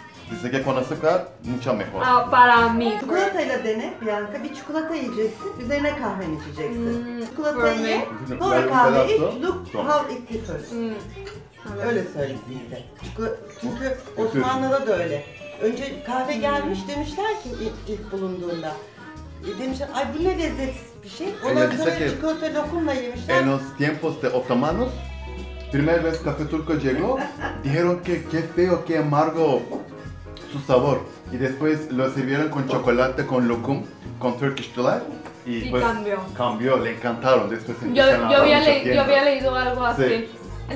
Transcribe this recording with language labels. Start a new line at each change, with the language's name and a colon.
Spanish: Dice que con azúcar, mucho mejor. Ah, para mí.
Turkish: Çikolatayla dene Bianca. Bir çikolata yiyeceksin, üzerine kahven içeceksin. Çikolatayı ye, sonra kahve iç,
English: look how it differs.
Turkish: Öyle söyledi yine. Çünkü Osmanlı'da da öyle. Önce kahve gelmiş demişler ki ilk bulunduğunda. Demişler, ay bu ne lezzetsiz bir şey. Ondan sonra çikolata lokumla yemişler.
Spanish: En los tiempos de otomanos. Primer vez café turco llegó, dijeron que qué feo, qué amargo su sabor. Y después lo sirvieron con chocolate, con lokum, con Turkish delight. Y pues, cambió, le encantaron. Después yo había leído algo así. Sí.